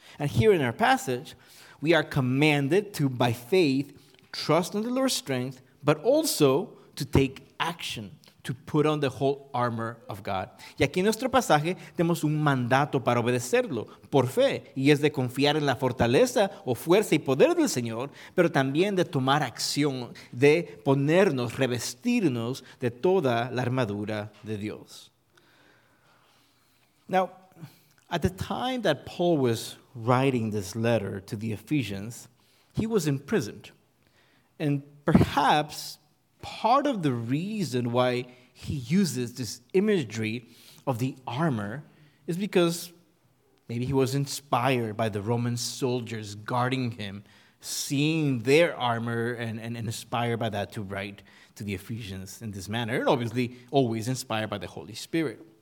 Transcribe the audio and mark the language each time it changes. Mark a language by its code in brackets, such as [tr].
[en] And here in our passage, we are commanded to, by faith, trust in the Lord's strength, but also to take action, to put on the whole armor of God. [es] Y aquí en nuestro pasaje tenemos un mandato para obedecerlo por fe, y es de confiar en la fortaleza o fuerza y poder del Señor, pero también de tomar acción, de ponernos, revestirnos de toda la armadura de Dios. [en] Now, at the time that Paul was writing this letter to the Ephesians, he was imprisoned. And perhaps part of the reason why he uses this imagery of the armor is because maybe he was inspired by the Roman soldiers guarding him, seeing their armor and inspired by that to write to the Ephesians in this manner, and obviously always inspired by the Holy Spirit.